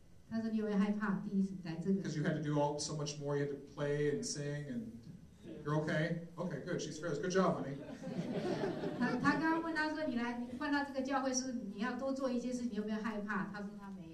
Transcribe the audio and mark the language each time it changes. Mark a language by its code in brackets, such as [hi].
[zh] 他说你有没有害怕第一次来这个？ [en] Because you had to do all so much more, you had to play and sing and you're okay? Okay, good, she's fearless. Good job, honey. [zh] 他刚刚问他说你来换到这个教会是你要多做一些事，你有没有害怕？他说他没有。